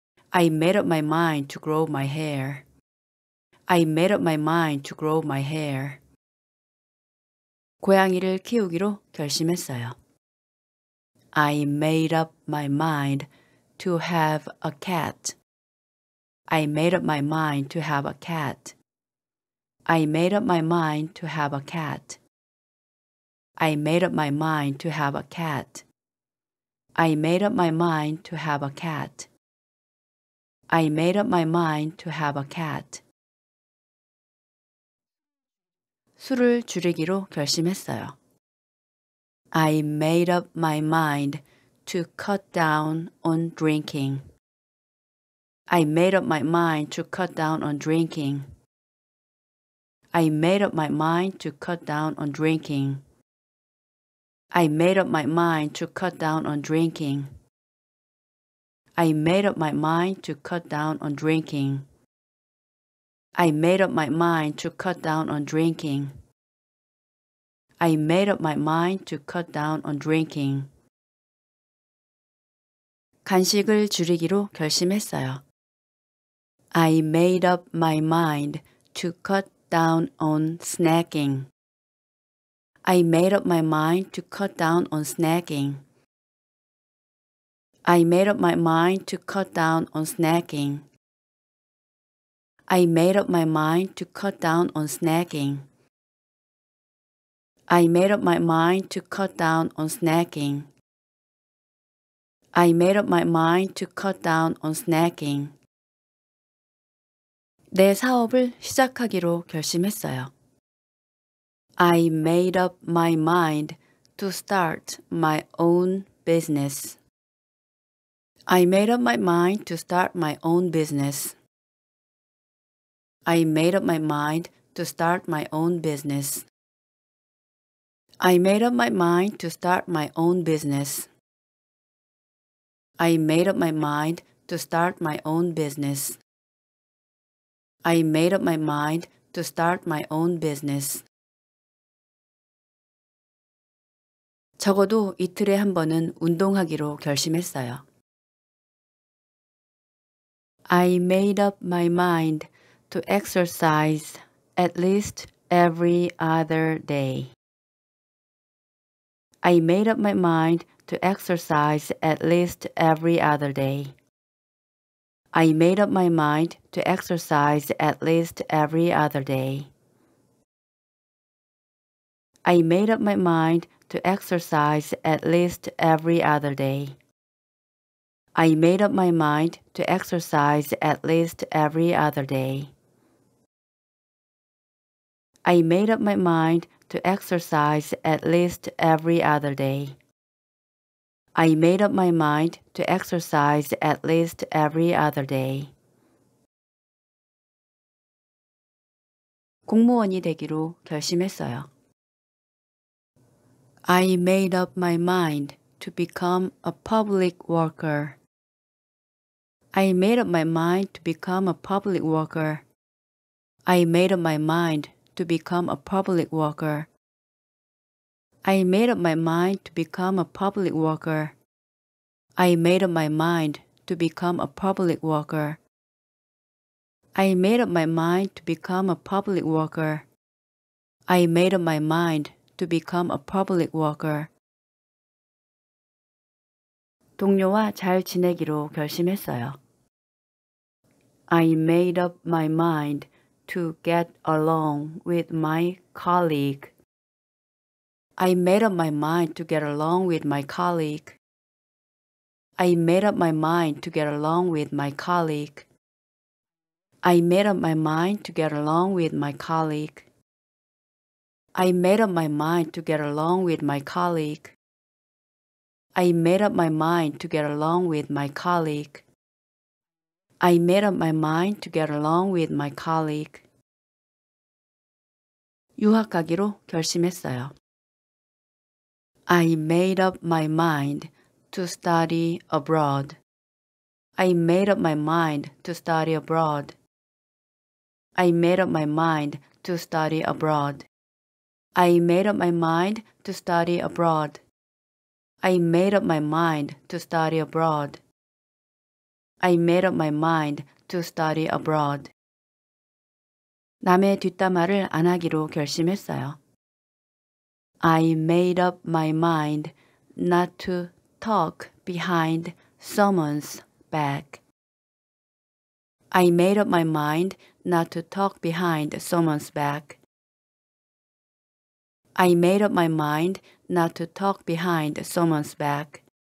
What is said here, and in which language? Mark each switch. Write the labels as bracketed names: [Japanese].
[English] I made up my mind to grow my hair. I made up my mind to grow my hair. [Korean] 고양이를 키우기로 결심했어요. [English] I made up my mind to have a cat. I made up my mind to have a cat. I made up my mind to have a cat. I made up my mind to have a cat. I made up my mind to have a cat. I made up my mind to have a cat. [Korean] 술을 줄이기로 결심했어요. [English] I made up my mind to cut down on drinking. I made up my mind to cut down on drinking. I made up my mind to cut down on drinking. I made up my mind to cut down on drinking. I made up my mind to cut down on drinking. I made up my mind to cut down on drinking. I made up my mind to cut down on drinking. [Korean] 간식을 줄이기로 결심했어요. [English] I made up my mind to cut down on snacking. I made up my mind to cut down on snacking. I made up my mind to cut down on snacking. I made up my mind to cut down on snacking. I made up my mind to cut down on snacking. I made up my mind to cut down on snacking. [Korean] 내 사업을 시작하기로 결심했어요. [English] I made up my mind to start my own business. I made up my mind to start my own business. I made up my mind to start my own business. I made up my mind to start my own business. I made up my mind to start my own business. I made up my mind to start my own business. [Korean] 적어도 이틀에 한 번은 운동하기로 결심했어요. [English] I made up my mind to exercise at least every other day. I made up my mind to exercise at least every other day. I made up my mind to exercise at least every other day. I made up my mind to exercise at least every other day. I made up my mind to exercise at least every other day. I made up my mind to exercise at least every other day. I made up my mind to exercise at least every other day. [Korean] 공무원이 되기로 결심했어요. [English] I made up my mind to become a public worker. I made up my mind to become a public worker. I made up my mind to become a public worker. I made up my mind to become a public worker. I made up my mind to become a public worker. I made up my mind to become a public worker. I made up my mind to become a public worker. [Korean] 동료와 잘 지내기로 결심했어요. [English] I made up my mind to get along with my colleague. I made up my mind to get along with my colleague. I made up my mind to get along with my colleague. I made up my mind to get along with my colleague. I made up my mind to get along with my colleague. I made up my mind to get along with my colleague. I made up my mind to get along with my colleague. [Korean] 유학 가기로 결심했어요. [English] I made up my mind to study abroad. I made up my mind to study abroad. I made up my mind to study abroad. I made up my mind to study abroad. I made up my mind to study abroad. I made up my mind to study abroad. [Korean] 남의 뒷담화를 안 하기로 결심했어요. [English] I made up my mind not to talk behind someone's back. I made up my mind not to talk behind someone's back. I made up my mind not to talk behind someone's back.